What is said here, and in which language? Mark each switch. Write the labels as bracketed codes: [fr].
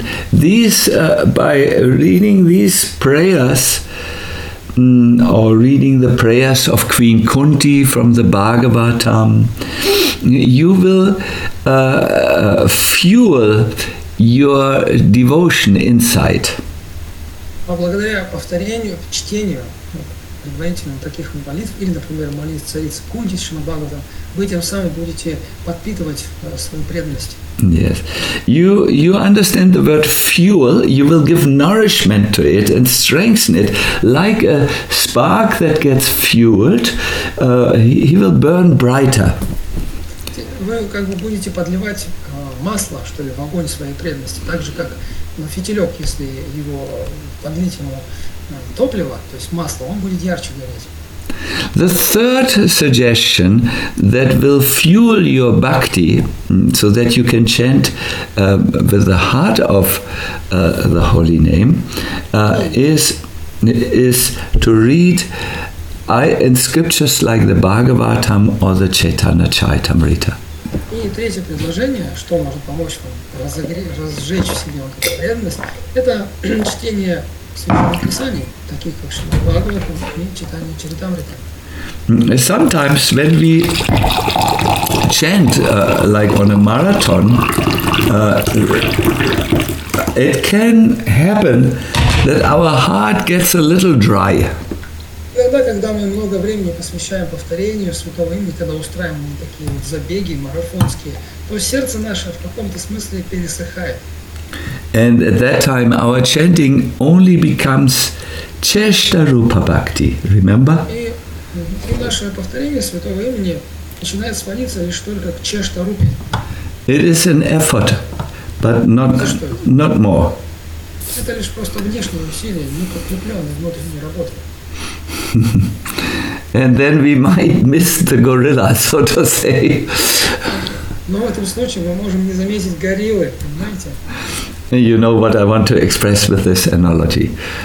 [en] These by reading these prayers, or reading the prayers of Queen Kunti from the Bhagavatam, you will fuel your devotion inside. [ru] Благодаря повторению, чтению предварительно таких молитв или, например, молитв царицы Кунти, Шримад Бхагаватам, вы тем самым будете подпитывать свою преданность. [en] Yes, you understand the word fuel. You will give nourishment to it and strengthen it, like a spark that gets fueled. He will burn brighter. [ru] Вы как бы будете подливать масло, что ли, в огонь своей преданности, так же как на фитилек, если его подлить ему топливо, то есть масло, он будет ярче гореть. [en] The third suggestion that will fuel your bhakti so that you can chant with the heart of the holy name is to read in scriptures like the Bhagavatam or the Chaitanya Charitamrita. [ru] И третье предложение, что может помочь вам разжечь в себе вот эту преданность, это чтение Священных Писаний, таких как Шримад Бхагаватам и Чайтанья Чаритамрита. [en] Sometimes when we chant like on a marathon, it can happen that our heart gets a little dry. [ru] Иногда, когда мы много времени посвящаем повторению святого имени, когда устраиваем такие вот забеги марафонские, то сердце наше в каком-то смысле пересыхает. [en] And at that time our chanting only becomes Cheshta Rupa Bhakti, remember? [ru] И наше повторение святого имени начинает сваниться лишь только к Чешта Рупе. [en] It is an effort, but not more. [ru] Это лишь просто внешнее усилие, не подкрепленное внутренней работой. [en] And then we might miss the gorilla, so to say. [ru] Но в этом случае мы можем не заметить гориллы, понимаете? [en] You know what I want to express with this analogy.